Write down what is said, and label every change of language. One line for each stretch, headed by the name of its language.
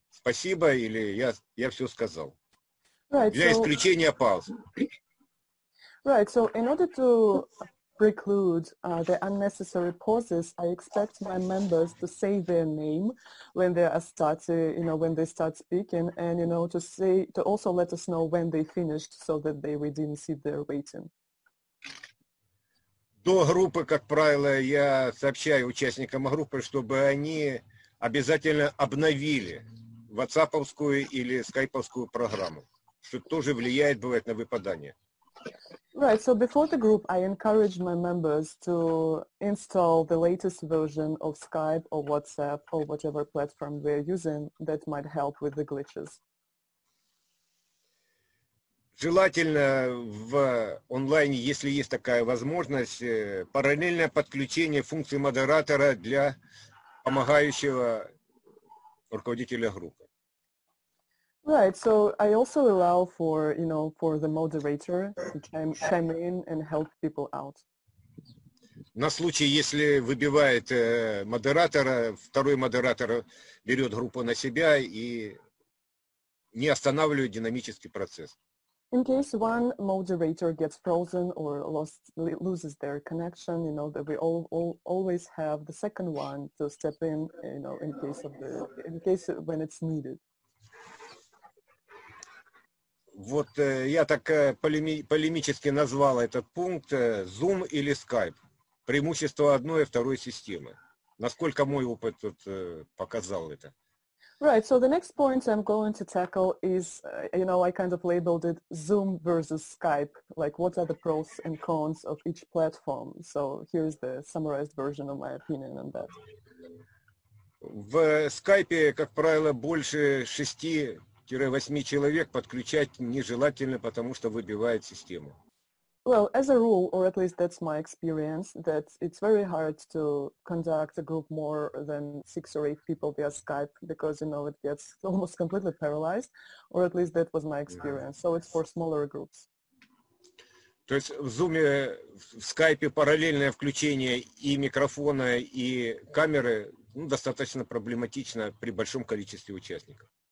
Russian: Спасибо, или я все сказал.
English: Right,
Russian: для исключения пауз.
English: Right, so in order to preclude the unnecessary pauses, I expect my members to say their name when they are starting, you know, when they start speaking, and, you know, to also let us know when they finished, so that we didn't sit there waiting.
Russian: До группы, как правило, я сообщаю участникам группы, чтобы они обязательно обновили WhatsApp-овскую или Skype-овскую программу, что тоже влияет, бывает, на выпадание.
English: Right, so before the group, I encourage my members to install the latest version of Skype or WhatsApp or whatever platform we're using that might help with the glitches.
Russian: Желательно в онлайне, если есть такая возможность, параллельное подключение функции модератора для помогающего руководителя группы.
English: Right, so I also allow for, you know, for the moderator to chime in and help people out.
Russian: На случай, если выбивает модератора, второй модератор берет группу на себя и не останавливает динамический процесс.
English: In case one moderator gets frozen or loses their connection, you know, that we always have the second one to step in, you know, in case when it's needed.
Russian: Вот я так полемически назвал этот пункт Zoom или Skype. Преимущество одной и второй системы. Насколько мой опыт тут показал это?
English: Right, so the next point I'm going to tackle is, you know, I kind of labeled it Zoom versus Skype, like what are the pros and cons of each platform. So here's the summarized version of my opinion on that.
Russian: В Skype, как правило, больше 6-8 человек подключать нежелательно, потому что выбивает систему.
English: Well, as a rule, or at least that's my experience, that it's very hard to conduct a group more than 6 or 8 people via Skype, because, you know, it gets almost completely paralyzed, or at least that was my experience. So it's for smaller groups.
Russian: То есть в Zoom, в Skype параллельное включение и микрофона, и камеры, ну, достаточно проблематично при большом количестве участников.